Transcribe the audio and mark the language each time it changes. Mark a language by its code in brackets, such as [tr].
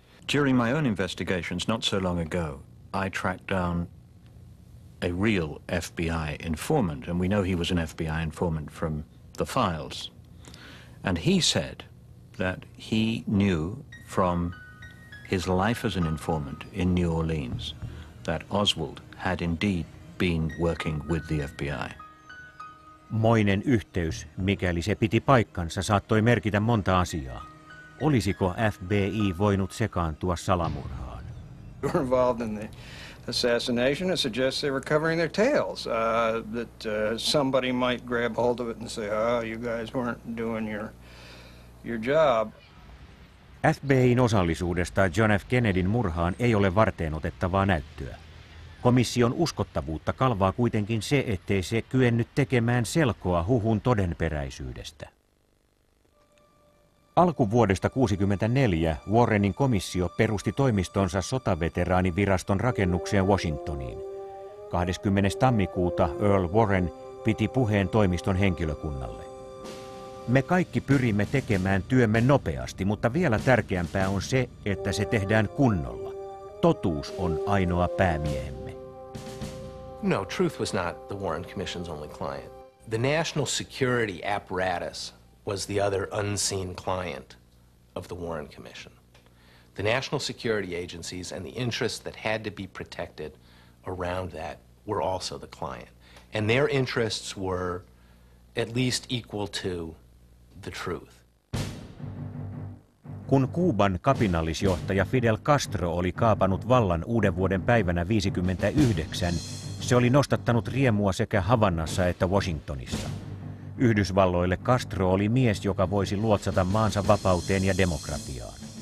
[en] During my own investigations, not so long ago, I tracked down a real FBI informant, and we know he was an FBI informant from the files. And he said that he knew from his life as an informant in New Orleans that Oswald had indeed been working with the FBI. [fi] Moinen yhteys, mikäli se piti paikkansa, saattoi merkitä monta asiaa. Olisiko FBI voinut sekaantua salamurhaan? [en] Were involved in the assassination, it suggests they were covering their tails, that somebody might grab hold of it and say, oh, you guys weren't doing your job. [fi] FBI:n osallisuudesta John F. Kennedyn murhaan ei ole varteenotettavaa näyttöä. Komission uskottavuutta kalvaa kuitenkin se, ettei se kyennyt tekemään selkoa huhun todenperäisyydestä. Alkuvuodesta 1964 Warrenin komissio perusti toimistonsa sotaveteraaniviraston rakennukseen Washingtoniin. 20. tammikuuta Earl Warren piti puheen toimiston henkilökunnalle. Me kaikki pyrimme tekemään työmme nopeasti, mutta vielä tärkeämpää on se, että se tehdään kunnolla. Totuus on ainoa päämiehemme. [en] No, truth was not the Warren Commission's only client. The national security apparatus was the other unseen client of the Warren Commission. The national security agencies and the interests that had to be protected around that were also the client. And their interests were at least equal to the truth. [fi] Kun Kuuban kapinallisjohtaja Fidel Castro oli kaapannut vallan uuden vuoden päivänä 59, se oli nostattanut riemua sekä Havannassa että Washingtonissa. Yhdysvalloille Castro oli mies, joka voisi luotsata maansa vapauteen ja demokratiaan.